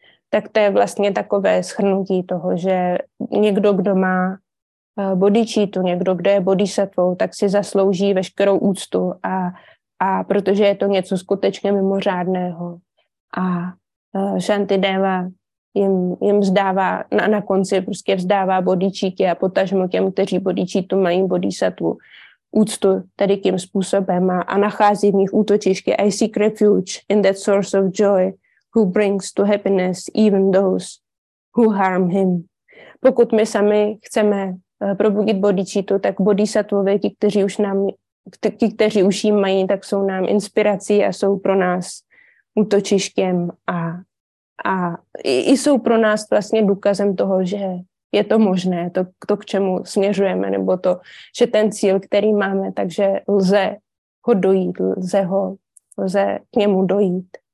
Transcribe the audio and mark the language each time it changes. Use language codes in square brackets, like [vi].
[cs] Tak to je vlastně takové shrnutí toho, že někdo, kdo má bodhičítu, někdo, kdo je bodhisattvou, tak si zaslouží veškerou úctu a protože je to něco skutečně mimořádného. A Shantideva jim vzdává, na konci prostě vzdává bodhičítě a potažmo těm, kteří bodhičítu mají bodhisattvu, úctu tady tím způsobem a nachází v nich útočiště. [en] I seek refuge in that source of joy who brings to happiness even those who harm him. [cs] Pokud my sami chceme probudit bodhičítu, tak bodhisattvové, kteří už jim mají, tak jsou nám inspirací a jsou pro nás útočištěm a jsou pro nás vlastně důkazem toho, že je to možné, to k čemu směřujeme, nebo to, že ten cíl, který máme, takže lze ho dojít, lze k němu dojít.